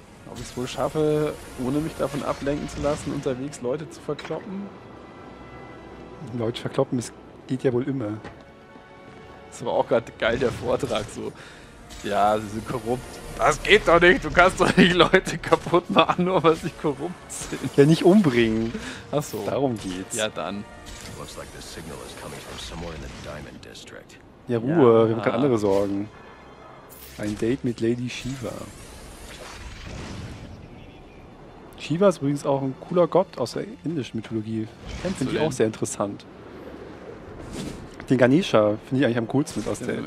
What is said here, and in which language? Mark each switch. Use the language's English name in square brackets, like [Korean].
[German] Ob ich es wohl schaffe, ohne mich davon ablenken zu lassen, unterwegs Leute zu verkloppen? Leute verkloppen, es geht ja wohl immer. Das war auch gerade geil, der Vortrag so. Ja, sie sind korrupt. Das geht doch nicht, du kannst doch nicht Leute kaputt machen, nur weil sie korrupt sind. Ja, nicht umbringen. Ach so. Darum geht's. Ja, dann. [English] Looks like the signal is coming from somewhere in the Diamond District. [German] Ja, Ruhe, ja, wir haben keine andere Sorgen. Ein Date mit Lady Shiva. Shiva ist übrigens auch ein cooler Gott aus der indischen Mythologie. Finde ich auch sehr interessant. Den Ganesha finde ich eigentlich am coolsten mit aus dem